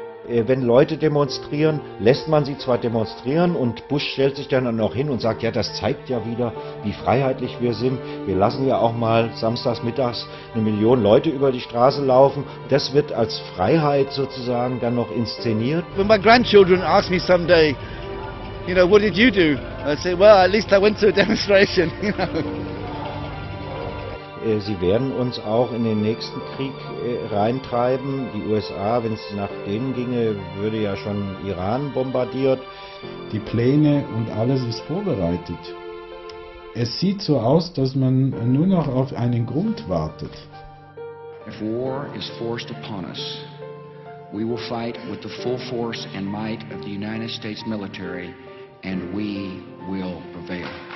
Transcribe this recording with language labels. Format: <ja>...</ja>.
<de>Wenn Leute demonstrieren, lässt man sie zwar demonstrieren und Bush stellt sich dann auch hin und sagt, ja, das zeigt ja wieder, wie freiheitlich wir sind. Wir lassen ja auch mal samstags mittags 1 Million Leute über die Straße laufen. Das wird als Freiheit sozusagen dann noch inszeniert.</de> <en>When my grandchildren ask me someday, you know, what did you do? I say, well, at least I went to a demonstration,</en> <de>Sie werden uns auch in den nächsten Krieg reintreiben. Die USA, wenn es nach denen ginge, würde ja schon Iran bombardiert. Die Pläne und alles ist vorbereitet. Es sieht so aus, dass man nur noch auf einen Grund wartet.</de> <en>If war is forced upon us, we will fight with the full force and might of the United States military and we will prevail.</en>